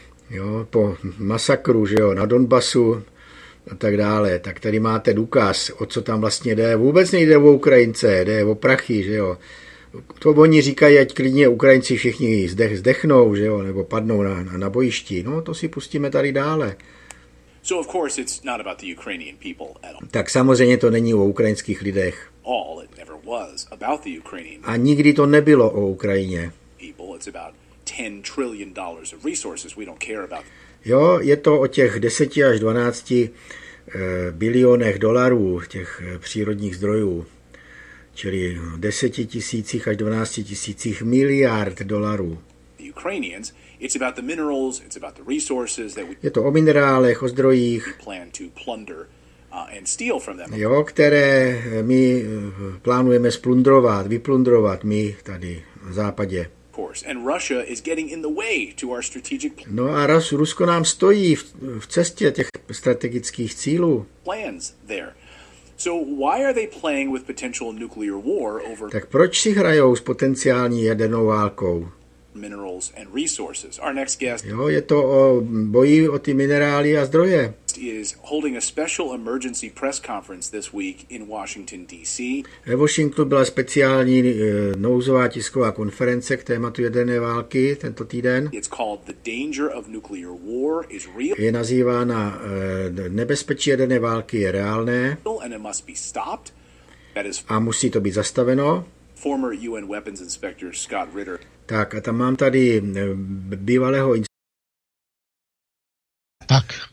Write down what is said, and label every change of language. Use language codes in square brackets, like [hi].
[cs] Jo, po masakru, že jo, na Donbasu a tak dále. Tak tady máte důkaz, o co tam vlastně jde. Vůbec nejde o Ukrajince, jde o prachy, že jo? To oni říkají, ať klidně Ukrajinci všichni zdechnou, že jo? Nebo padnou na bojišti. No, to si pustíme tady dále. [en] So of course it's not about the Ukrainian people at all. [cs] Tak samozřejmě to není o ukrajinských lidech. [en] All it never was about the Ukrainian. [cs] A nikdy to nebylo o Ukrajině. [en] People, it's about 10 trillion dollars of resources we don't care about. [cs] Jo, je to o těch 10 až 12 bilionech dolarů těch přírodních zdrojů. Čili 10 tisících až 12 tisících miliard dolarů. [en] The Ukrainians. It's about the minerals, it's about the resources that we. [cs] Je to o minerálech, o zdrojích. [en] Plan to plunder and steal from them. [cs] Jo, které my plánujeme splundrovat, vyplundrovat my tady na západě. [en] Of course, and Russia is getting in the way to our strategic. [cs] No a Rusko nám stojí v cestě těch strategických cílů. [en] Plans there. So why are they playing with potential nuclear war over. [cs] Tak proč si hrajou s potenciální jadernou válkou? [en] Minerals and resources. Our next guest. [cs] Jo, je to o boji o ty minerály a zdroje. [en] Is holding a special emergency press conference this week in Washington D.C. [cs] Ve Washingtonu byla speciální nouzová tisková konference k tématu jaderné války tento týden. [en] It's called The Danger of Nuclear War is Real. [cs] Je nazývána nebezpečí jaderné války je reálné. [en] And it must be stopped. That is. [cs] A musí to být zastaveno. [en] Former UN weapons inspector Scott Ritter. [cs] Tak a tam mám tady bývalého. Tak.